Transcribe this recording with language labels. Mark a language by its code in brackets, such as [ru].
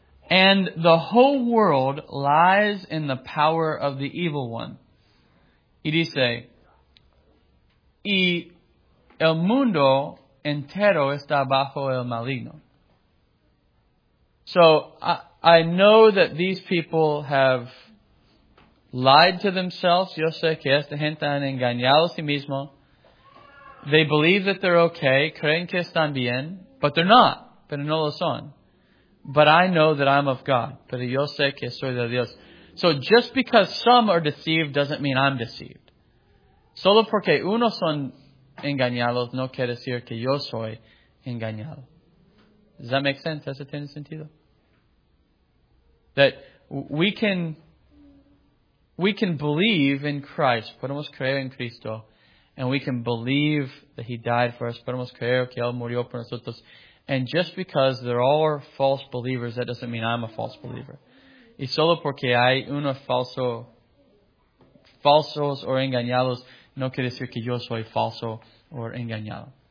[en] And the whole world lies in the power of the evil one. [es] Y dice, y el mundo entero está bajo el maligno. [en] So I know that these people have lied to themselves. [es] Yo sé que esta gente han engañado a sí mismo. [en] They believe that they're okay. [es] Creen que están bien. [en] But they're not. [es] Pero no lo son. But I know that I'm of God. Pero yo sé que soy de Dios. [en] So just because some are deceived doesn't mean I'm deceived. [es] Solo porque unos son engañados no quiere decir que yo soy engañado. [en] Does that make sense? [es] ¿Eso tiene sentido? [en] That we can believe in Christ. [es] Podemos creer en Cristo. [en] And we can believe that He died for us. [es] Podemos creer que Él murió por nosotros. [en] And just because there are false believers, that doesn't mean I'm a false believer. [es] Y solo porque hay unos falsos o engañados, no quiere decir que yo soy falso o engañado.